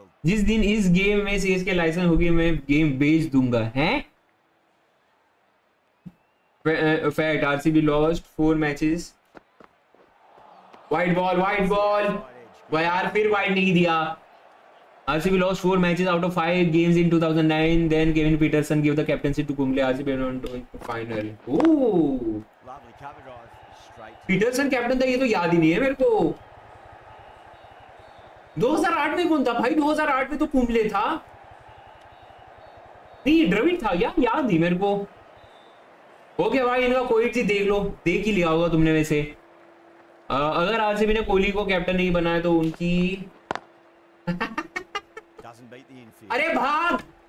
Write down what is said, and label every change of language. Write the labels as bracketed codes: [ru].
[hi] जिस दिन इस गेम में CSK लाइसेंस होगी मैं गेम बेच दूंगा। है fact, RCB lost 4 matches. Wide ball, wide ball भाई, यार फिर वाइड नहीं दिया। [en] RCB lost 4 matches out of 5 games in 2009. Then Kevin Peterson gave the captaincy to Kumble. RCB went on to the final. Ooh. Lovely cover drive straight. [hi] Peterson captain था, ये तो याद ही नहीं है मेरे को। 2008 में कौन था भाई? 2008 में तो कुंबले था, नहीं द्रविड़ था यार, याद नहीं मेरे को। ओके भाई, इनका कोई चीज देख लो, देख ही लिया होगा तुमने वैसे। अगर RCB ने कोहली को कैप्टन नहीं बनाया तो उनकी अरे भाग।